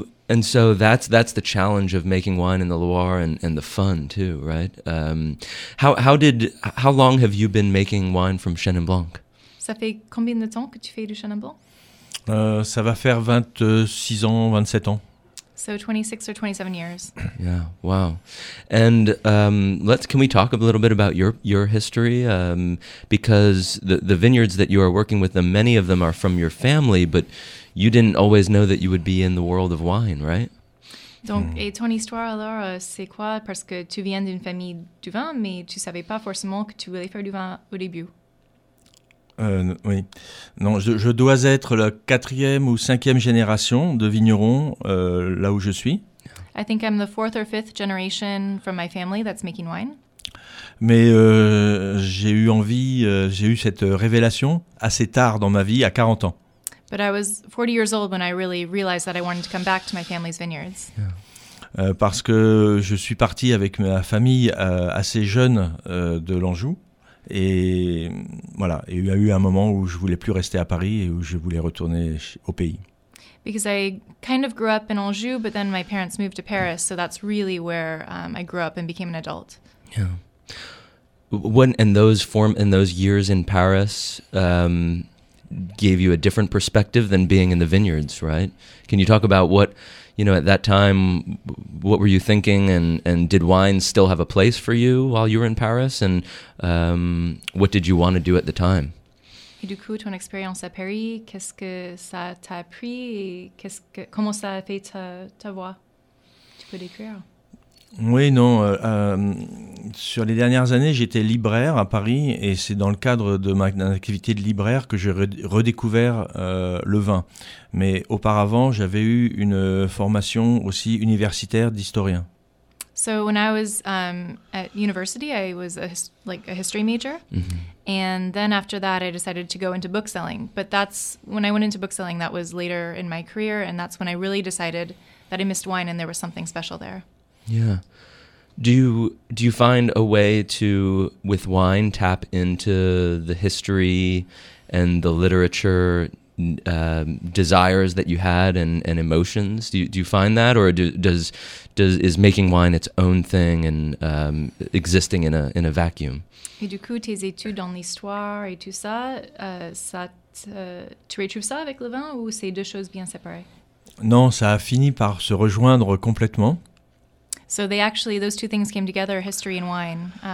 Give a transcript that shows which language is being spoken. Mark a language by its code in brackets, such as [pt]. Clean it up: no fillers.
[en] And so that's the challenge of making wine in the Loire and the fun too, right? How long have you been making wine from Chenin Blanc? [fr] Ça fait combien de temps que tu fais du Chenin Blanc? Ça va faire 26 ans, 27 ans. [en] So 26 or 27 years. Yeah, wow. And can we talk a little bit about your history? Because the vineyards that you are working with, many of them are from your family, but you didn't always know that you would be in the world of wine, right? [fr] Donc, et ton histoire alors, c'est quoi? Parce que tu viens d'une famille du vin, mais tu ne savais pas forcément que tu voulais faire du vin au début. Oui. Non, je dois être la quatrième ou cinquième génération de vignerons là où je suis. [en] I think I'm the fourth or fifth generation from my family that's making wine. [fr] Mais j'ai eu cette révélation assez tard dans ma vie, à 40 ans. [en] But I was 40 years old when I really realized that I wanted to come back to my family's vineyards. Yeah. [fr] Parce que je suis parti avec ma famille assez jeune de l'Anjou. Et voilà, il y a eu un moment où je ne voulais plus rester à Paris et où je voulais retourner au pays. [en] Because I kind of grew up in Anjou, but then my parents moved to Paris, so that's really where I grew up and became an adult. Yeah. Those years in Paris gave you a different perspective than being in the vineyards, right? Can you talk about what, you know, at that time, what were you thinking, and did wine still have a place for you while you were in Paris, and what did you want to do at the time? [fr] Et du coup, ton expérience à Paris, qu'est-ce que ça t'a appris, et qu'est-ce que, comment ça a fait ta voix? Tu peux décrire? Oui, non. Sur les dernières années, j'étais libraire à Paris, et c'est dans le cadre de ma activité de libraire que j'ai redécouvert le vin. Mais auparavant, j'avais eu une formation aussi universitaire d'historien. [en] So when I was at university, I was a history major, and then after that, I decided to go into bookselling. But that's when I went into bookselling. That was later in my career, and that's when I really decided that I missed wine, and there was something special there. Yeah. Do you find a way to, with wine, tap into the history and the literature desires that you had and emotions? Do you find that, or is making wine its own thing and existing in a vacuum? [fr] Et du coup, tes études dans l'histoire et tout ça, tu retrouves ça avec le vin, ou c'est deux choses bien séparées? Non, ça a fini par se rejoindre complètement. [en] So they actually, those two things came together, history and wine.